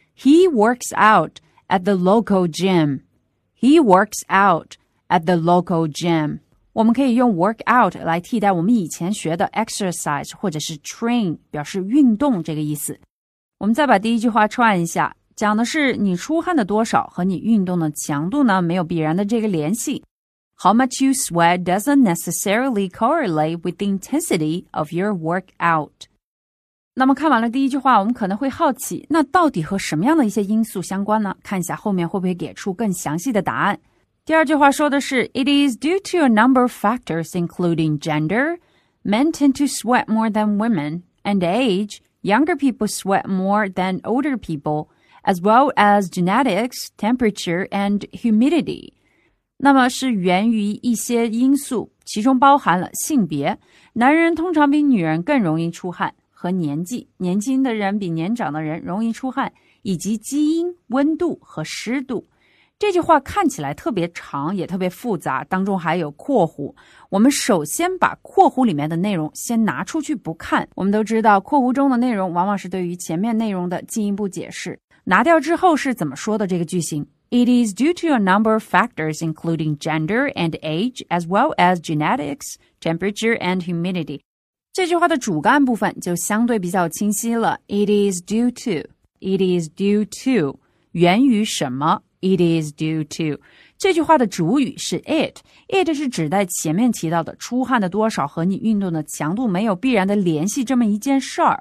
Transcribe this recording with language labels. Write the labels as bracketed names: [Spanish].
[English] He works out at the local gym. He works out at the local gym. [Chinese] 我们可以用 work out 来替代我们以前学的 exercise 或者是 train, 表示运动这个意思。我们再把第一句话串一下，讲的是你出汗的多少和你运动的强度呢没有必然的这个联系。 [English] How much you sweat doesn't necessarily correlate with the intensity of your workout. [Chinese] 那么看完了第一句话，我们可能会好奇，那到底和什么样的一些因素相关呢？看一下后面会不会给出更详细的答案。第二句话说的是 [English] It is due to a number of factors including gender. Men tend to sweat more than women. And age, younger people sweat more than older people. As well as genetics, temperature, and humidity. [Chinese] 那么是源于一些因素，其中包含了性别。男人通常比女人更容易出汗，和年纪，年轻的人比年长的人容易出汗，以及基因、温度和湿度。这句话看起来特别长也特别复杂，当中还有括弧。我们首先把括弧里面的内容先拿出去不看。我们都知道括弧中的内容往往是对于前面内容的进一步解释。拿掉之后是怎么说的这个句型？ [English] It is due to a number of factors including gender and age as well as genetics, temperature and humidity. [Chinese] 这句话的主干部分就相对比较清晰了。 [English] It is due to. It is due to. [Chinese] 源于什么？ [English] It is due to. [Chinese] 这句话的主语是 it. It 是指在前面提到的出汗的多少和你运动的强度没有必然的联系这么一件事儿。